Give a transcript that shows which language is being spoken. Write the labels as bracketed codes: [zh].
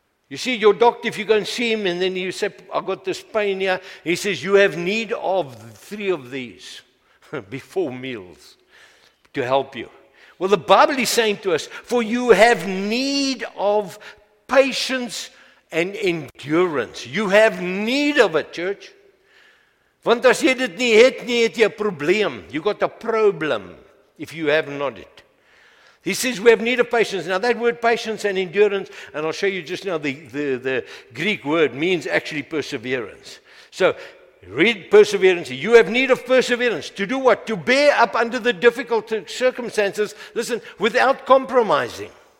[en] You see, your doctor, if you go and see him, and then you say, I've got this pain here, he says, you have need of three of these before meals to help you. Well, the Bible is saying to us, for you have need of patience and endurance. You have need of it, church. [af] Want as jy dit nie het, nie het jy 'n probleem. [en] You got a problem if you have not it. He says we have need of patience. Now that word patience and endurance, and I'll show you just now the Greek word means actually perseverance. So read perseverance. You have need of perseverance. To do what? To bear up under the difficult circumstances, listen, without compromising.